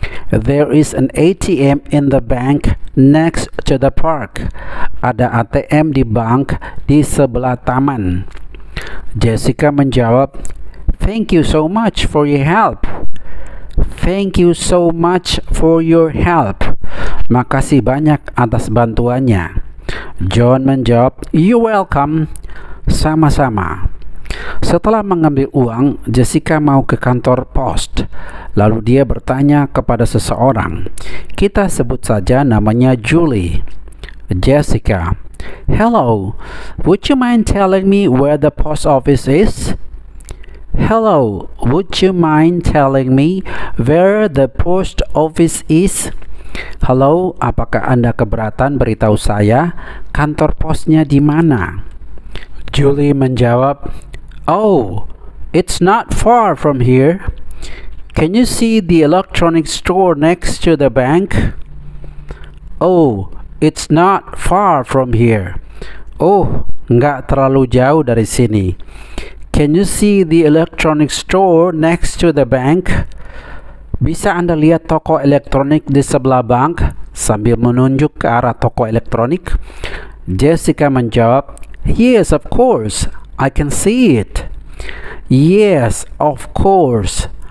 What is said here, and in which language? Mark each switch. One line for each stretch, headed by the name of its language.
English: There is an ATM in the bank next to the park.
Indonesian: Ada ATM di bank di sebelah taman.
English: Jessica
Indonesian: menjawab,
English: "Thank you so much for your help." "Thank you so much for your help."
Indonesian: Makasih banyak atas bantuannya. John menjawab,
English: "You're welcome."
Indonesian: Sama-sama. Setelah mengambil uang, Jessica mau ke kantor pos. Lalu dia bertanya kepada seseorang. Kita sebut saja namanya Julie.
English: Jessica, "Hello, would you mind telling me where the post office is?" "Hello, would you mind telling me where the post office is?"
Indonesian: "Halo, apakah Anda keberatan beritahu saya kantor posnya di mana?"
English: Julie
Indonesian: menjawab,
English: "Oh, it's not far from here. Can you see the electronic store next to the bank?" "Oh, it's not far from here."
Indonesian: Oh, enggak terlalu jauh dari sini.
English: "Can you see the electronic store next to the bank?"
Indonesian: Bisa Anda lihat toko elektronik di sebelah bank? Sambil menunjuk ke arah toko elektronik. Jessica menjawab,
English: "Yes, of course. I can see it. Yes, of course.